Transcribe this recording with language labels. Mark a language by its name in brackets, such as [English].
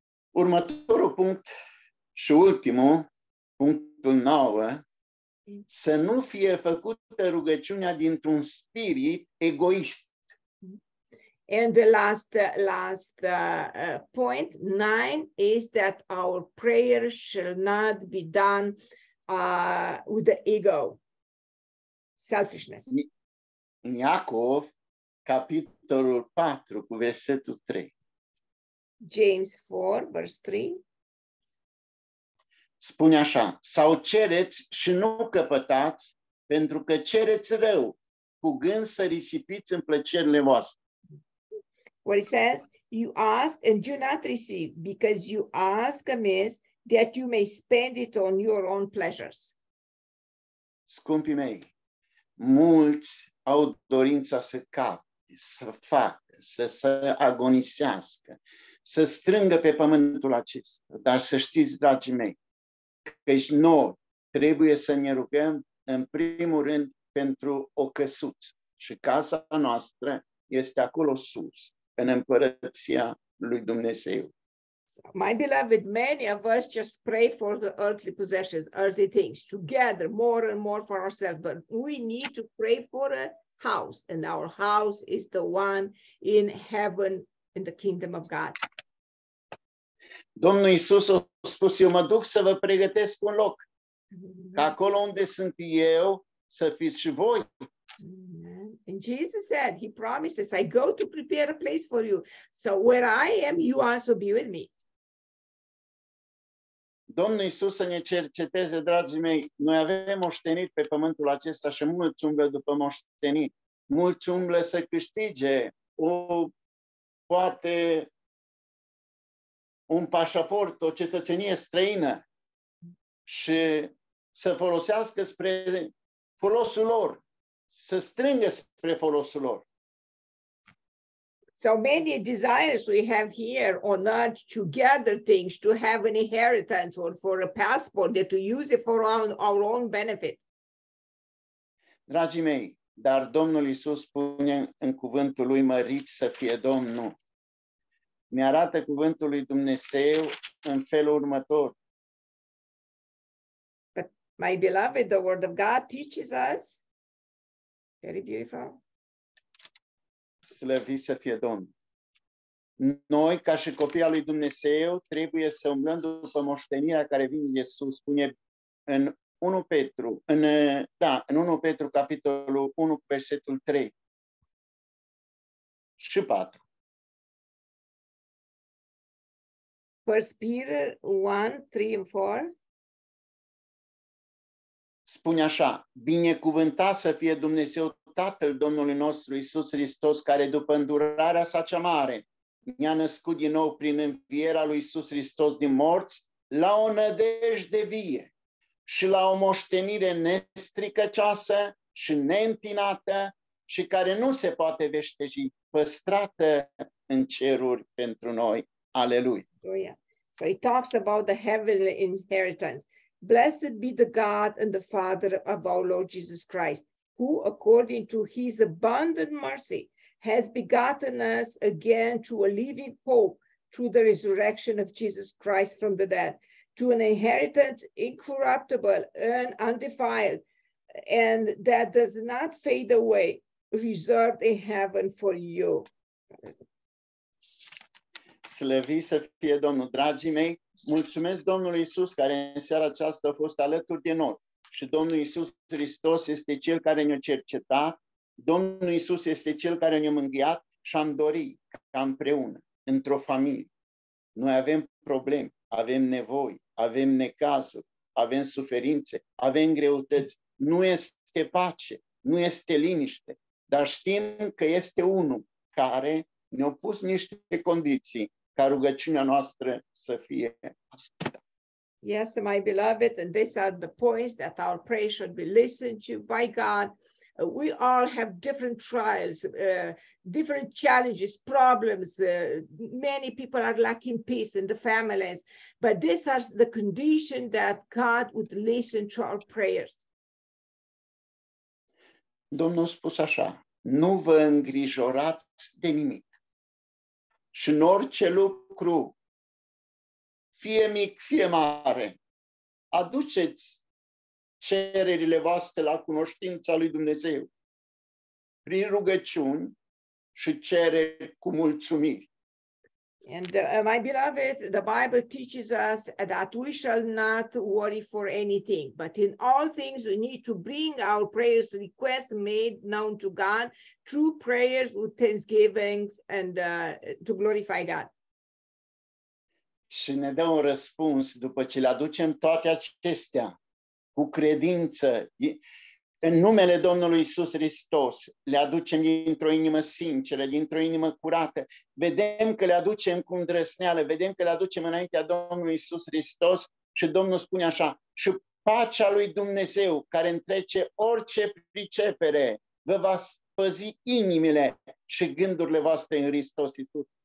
[Romanian] Următorul punct și ultimul, punctul 9, să nu fie făcută rugăciunea dintr-un spirit egoist. [English] And the last point, 9, is that our prayer shall not be done with the ego, selfishness. [Romanian] În Iacov, capitolul 4, cu versetul 3. [English] James 4, verse 3. [Romanian] Spune așa: sau cereți și nu căpătați, pentru că cereți rău, cu gând să risipiți în plăcerile voastre. [English] Well, it says, you ask and do not receive, because you ask amiss, that you may spend it on your own pleasures. [Romanian] Scumpii mei, mulți au dorința să capte, să facă, să agonisească, să strângă pe pământul acesta. Dar să știți, dragii mei, că și noi trebuie să ne rugăm în primul rând pentru o căsuță. Și casa noastră este acolo sus, în împărăția lui Dumnezeu. [English] My beloved, many of us just pray for the earthly possessions, earthly things, to gather more and more for ourselves. But we need to pray for a house. And our house is the one in heaven, in the kingdom of God. [Romanian] Domnul Iisus a spus: eu mă duc să vă pregătesc un loc. Ca acolo unde sunt eu, să fiți și voi. [English] And Jesus said, he promises, I go to prepare a place for you. So where I am, you also be with me. [Romanian] Domnul Iisus să ne cerceteze, dragii mei, noi avem moștenit pe pământul acesta și mulți umblă după moștenit. Mulți umblă să câștige o, poate, un pașaport, o cetățenie străină și să folosească spre folosul lor, să strângă spre folosul lor. [English] So many desires we have here on earth to gather things, to have an inheritance or for a passport, to use it for our own benefit. [Romanian] Dragii mei, dar Domnul Iisus spune în cuvântul lui: măriți să fie Domnul. Ne arată cuvântul lui Dumnezeu în felul următor. [English] But my beloved, the word of God teaches us. Very beautiful. [Romanian] Slăviți să fie Domnul. Noi, ca și copii al lui Dumnezeu, trebuie să umblăm după moștenirea care vine de sus, spune în 1 Petru, în, da, în 1 Petru, capitolul 1, versetul 3 și 4. [English] First Peter 1, 3 and 4. [Romanian] Spune așa, binecuvântat să fie Dumnezeu Tatăl Domnului nostru Iisus Hristos, care după îndurarea sa cea mare ne-a născut din nou prin învierea lui Iisus Hristos din morți, la o nădejde vie și la o moștenire nestricăcioasă și neîntinată și care nu se poate veșteji, păstrată în ceruri pentru noi. Aleluia! [English] Oh, yeah. So he talks about the heavenly inheritance. Blessed be the God and the Father of our Lord Jesus Christ, who, according to his abundant mercy, has begotten us again to a living hope through the resurrection of Jesus Christ from the dead, to an inheritance incorruptible and undefiled, and that does not fade away, reserved in heaven for you. [Romanian] Slăviți să fie Domnul, dragii mei, mulțumesc Domnului Iisus care în seara aceasta a fost alături de noi. Și Domnul Iisus Hristos este Cel care ne-a cercetat, Domnul Iisus este Cel care ne-a mânghiat și am dorit ca împreună, într-o familie. Noi avem probleme, avem nevoi, avem necazuri, avem suferințe, avem greutăți. Nu este pace, nu este liniște, dar știm că este unul care ne-a pus niște condiții ca rugăciunea noastră să fie ascultată. [English] Yes, my beloved, and these are the points that our prayer should be listened to by God. We all have different trials, different challenges, problems. Many people are lacking peace in the families, but these are the conditions that God would listen to our prayers. [Romanian] Domnul spus așa, nu vă îngrijorați de nimic. Și în orice lucru, fie mic, fie mare, aduceți cererile voastre la cunoștința lui Dumnezeu prin rugăciuni și cereri cu mulțumiri. [English] And my beloved, the Bible teaches us that we shall not worry for anything, but in all things we need to bring our prayers, requests made known to God through prayers with thanksgivings and to glorify God. [Romanian] Și ne dă un răspuns după ce le aducem toate acestea cu credință în numele Domnului Iisus Hristos, le aducem dintr-o inimă sinceră, dintr-o inimă curată, vedem că le aducem cu îndrăsneală, vedem că le aducem înaintea Domnului Iisus Hristos și Domnul spune așa, și pacea lui Dumnezeu care întrece orice pricepere vă va păzi inimile și gândurile voastre în Hristos Iisus.